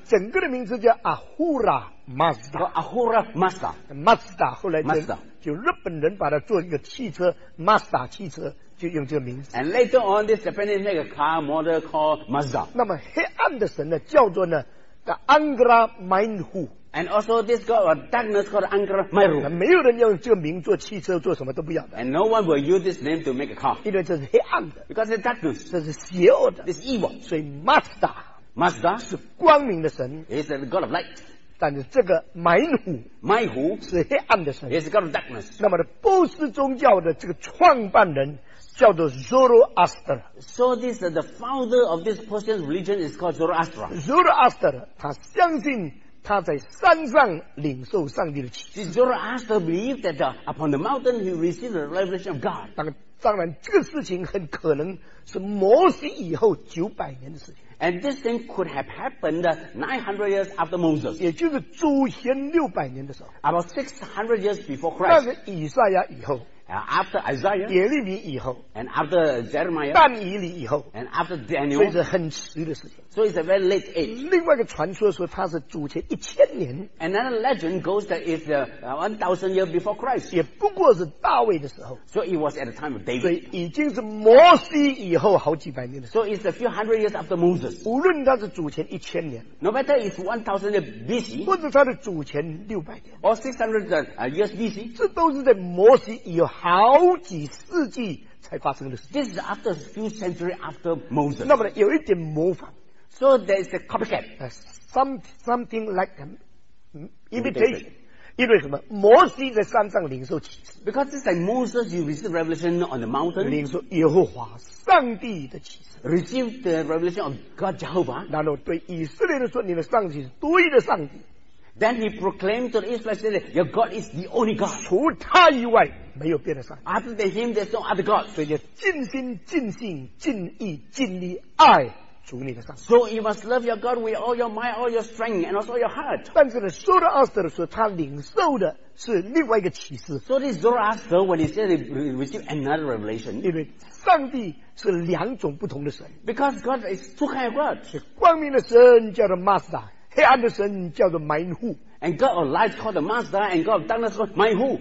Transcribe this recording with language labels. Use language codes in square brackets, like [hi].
[zh] 整个的名字叫 Ahura Mazda. [en] Ahura Mazda. [zh] Mazda 后来 就日本人把它做一个汽车 Mazda 汽车就用这个名字 [en] And later on this Japanese make a car model called Mazda [zh] 那么黑暗的神呢叫做呢 The Angra Mindhu [en] And also this god of darkness called Angra Mindhu [zh] 没有人要用这个名做汽车做什么都不要的 [en] And no one will use this name to make a car [zh] 因为这是黑暗的 [en] Because it's darkness [zh] 这是邪恶的 [en] It's evil [zh] 所以 Mazda [en] Mazda [zh] 是光明的神 [en] It's the god of light [zh] 但是这个 Mindhu 是黑暗的神 [en] It's the god of darkness [zh] 那么波斯宗教的这个创办人叫做 Zoroaster [en] So this, the founder of this person's religion is called Zoroaster [zh] Zoroaster 他相信他在山上领受上帝的启示 [en] Zoroaster believed that upon the mountain he received the revelation of God [zh] 当然这个事情很可能是摩西以后900年的事情 [en] And this thing could have happened 900 years after Moses [zh] 也就是祖先600年的时候 [en] About 600 years before Christ [zh] 但是以赛亚以后 [en] After Isaiah, [zh] 耶利米以后 [en] and after Jeremiah, [zh] 但以理以后 [en] and after Daniel, [zh] 所以是很迟的事情 [en] so it's a very late age. [zh] 另外一个传说说他是主前1000年 [en] another legend goes that it's 1000 years before Christ. [zh] 也不过是大卫的时候 [en] so it was at the time of David. [zh] 所以已经是摩西以后好几百年的时候 [en] so it's a few hundred years after Moses. [zh] 无论他是主前1000年 [en] no matter it's 1000 years BC, [zh] 或者他的主前600年 [en] or 600 years BC, [zh] 这都是在摩西以后好几世纪才发生的事 [en] This is after a few centuries after Moses [zh] 那么有一点模仿 [en] So there is a copycat Something like an imitation [zh] 因为什么摩西在山上领受启示 [en] Because it's like Moses you receive revelation on the mountain [zh] 领受耶和华上帝的启示 [en] Receive the revelation of God Jehovah [zh] 然后对以色列人说你的上帝是独一的上帝 [en] Then he proclaimed to the Israelites your God is the only God [zh] 除他以外没有别的上帝 [en] Other than him, there's no other God. [zh] 所以就尽心尽性尽意尽力爱主你的上帝 [en] So you must love your God with all your mind, all your strength, and also your heart. [zh] 但是呢 Zoroaster 说他领受的是另外一个启示 [en] So this Zoroaster, when he said he received another revelation, [zh] 因为上帝是两种不同的神 [en] Because God is two kinds of God. [zh] 是光明的神叫做 Master, 黑暗的神叫做 Mindhu。 [en] And God of light called the Master, and God of darkness called Mindhu.